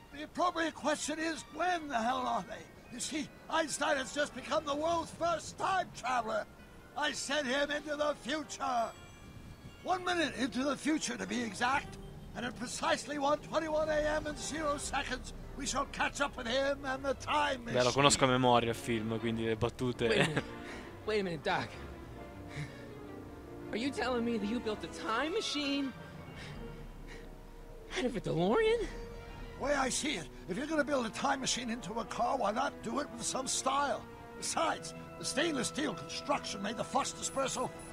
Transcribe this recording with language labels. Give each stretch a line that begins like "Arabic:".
English: The appropriate question is, when the hell are they? You see, Einstein has just become the world's first time traveler. I sent him into the future. 1 minute into the future, to be exact. And at precisely 1:21 a.m. and 0 seconds, we shall catch up with him and the time machine.
Italian: Beh, lo conosco a memoria il film, quindi le battute...
English: Wait a minute, Doc. Are you telling me that you built a time machine? Out of a DeLorean? The way I see it, if you're gonna build a time machine into a car, why not do it with some style? Besides, the stainless steel construction made the first espresso.